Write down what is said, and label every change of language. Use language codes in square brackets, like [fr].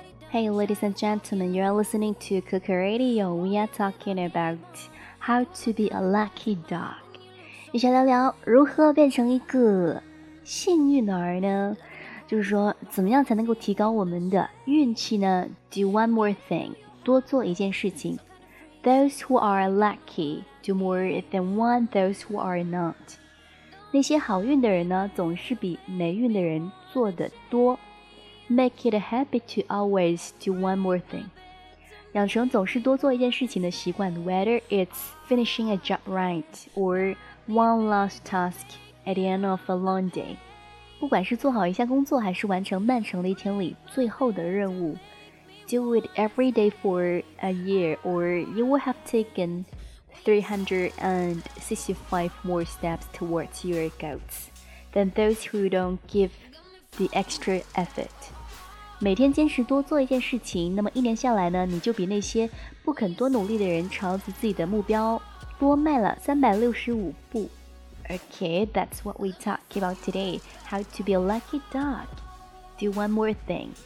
[en] Hey, ladies and gentlemen, you're listening to Cuckoo Radio. We are talking about how to be a lucky dog. [zh] 一起聊聊如何变成一个幸运儿呢？就是说，怎么样才能够提高我们的运气呢？ [en] Do one more thing， [zh] 多做一件事情。 [en] Those who are lucky do more than one those who are not. [zh] 那些好运的人呢，总是比没运的人做得多。 [en] Make it a habit to always do one more thing. [zh] 养成总是多做一件事情的习惯， [en] whether it's finishing a job right or one last task at the end of a long day. [zh] 不管是做好一下工作还是完成漫长的一天里最后的任务， [en] do it every day for a year or you will have taken 365 more steps towards your goals than those who don't give the extra effort. [zh] 每天坚持多做一件事情，那么一年下来呢，你就比那些不肯多努力的人朝着自己的目标多迈了365步。 [en] Okay, that's what we talk about today. How to be a lucky dog. Do one more thing.